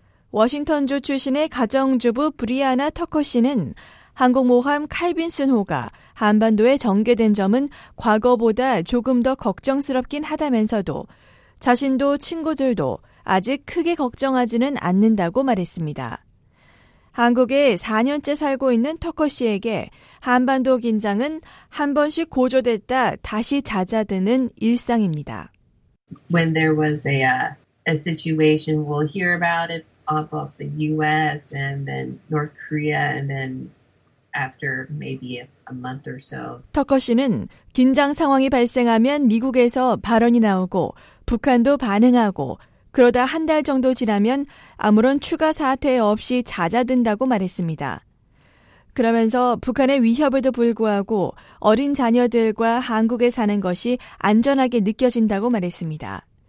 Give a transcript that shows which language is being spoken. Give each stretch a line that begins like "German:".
Korean: 워싱턴주 출신의 가정주부 브리아나 터커 씨는 한국 모함 칼빈슨호가 한반도에 전개된 점은 과거보다 조금 더 걱정스럽긴 하다면서도 자신도 친구들도 아직 크게 걱정하지는 않는다고 말했습니다. 한국에 4년째 살고 있는 터커 씨에게 한반도 긴장은 한 번씩 고조됐다 다시 잦아드는 일상입니다.
English: When there was a situation, we'll hear about it about the U.S. and then North Korea and then after maybe a month or so.
Korean: 터커 씨는 긴장 상황이 발생하면 미국에서 발언이 나오고 북한도 반응하고 그러다 한 달 정도 지나면 아무런 추가 사태 없이 잦아든다고 말했습니다. 그러면서 북한의 위협에도 불구하고 어린 자녀들과 한국에 사는 것이 안전하게 느껴진다고 말했습니다.